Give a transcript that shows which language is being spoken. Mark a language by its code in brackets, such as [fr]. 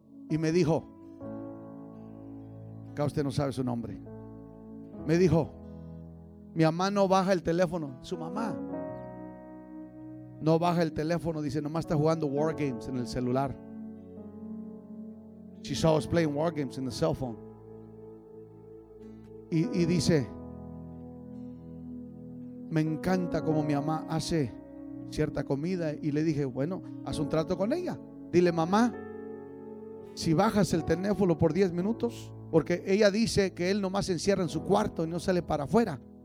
[es] Y me dijo, acá usted no sabe su nombre. Me dijo: mi mamá no baja el teléfono. Su mamá no baja el teléfono. Dice: nomás está jugando war games en el celular. [en] She saw us playing war games in the cell phone. [es] Y dice: me encanta como mi mamá hace cierta comida. Y le dije: bueno, haz un trato con ella. Dile: mamá, si bajas el teléfono por 10 minutos, porque ella dice que él nomás se encierra en su cuarto y no sale para afuera.